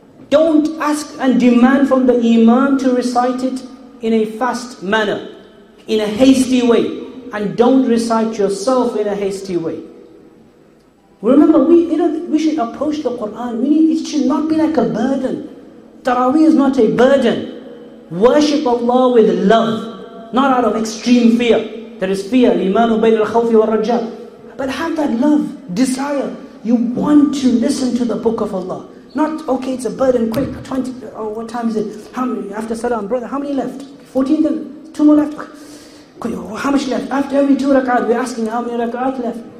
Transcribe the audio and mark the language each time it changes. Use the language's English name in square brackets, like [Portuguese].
[English] Don't ask and demand from the imam to recite it in a fast manner, in a hasty way. And don't recite yourself in a hasty way. Remember, we should approach the Quran. It should not be like a burden. Taraweeh is not a burden. Worship Allah with love, not out of extreme fear. There is fear. [Arabic] الإيمان بين الخوف والرجاء. [English] But have that love, desire. You want to listen to the book of Allah. Not, okay, it's a burden, quick, 20, oh, what time is it? How many, after salam, brother, how many left? 14 then, two more left. Okay. How much left? After every two rak'at, we're asking how many rak'at left.